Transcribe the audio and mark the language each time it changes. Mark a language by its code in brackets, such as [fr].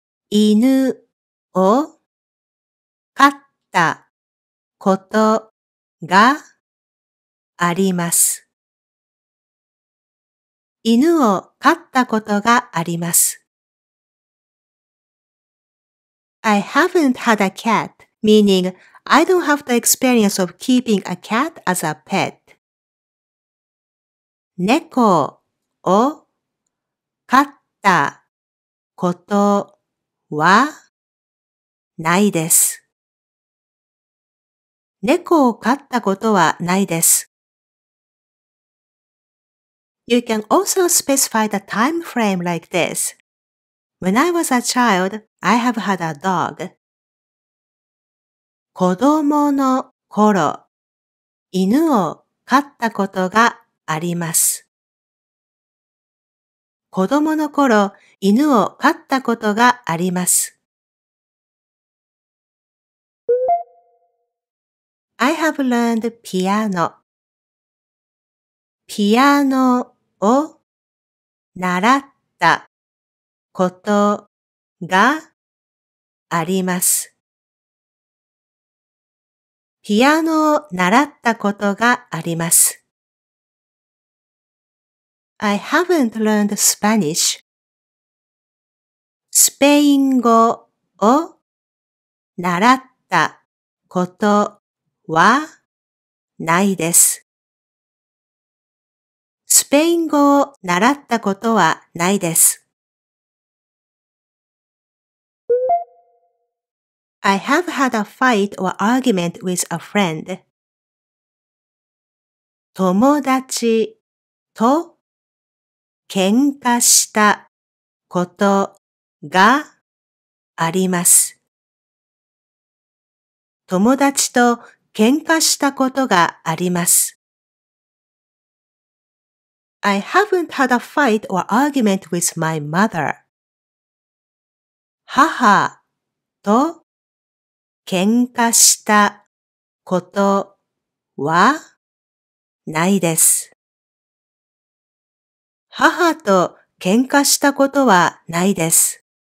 [ja] 犬を飼ったことがあります。犬を飼ったことがあります。 [en] I haven't had a cat, meaning I don't have the experience of keeping a cat as a pet. [ja] 猫を飼ったことはないです。猫を飼ったことはないです。 [en] You can also specify the time frame like this. When I was a child, I have had a dog. [ja] 子供の頃、犬を飼ったことがあります。子供の頃、犬を飼ったことがあります。 [en] I have learned piano. [ja] ピアノを習ったことがあります。ピアノを習ったことがあります。 [en] I haven't learned Spanish. [ja] スペイン語を習ったことはないです。スペイン語を習ったことはないです。 [en] I have had a fight or argument with a friend. [ja] 友達と喧嘩したことがあります。友達と喧嘩したことがあります。 [en] I haven't had a fight or argument with my mother. [ja] 母と喧嘩したことはないです。母と喧嘩したことはないです。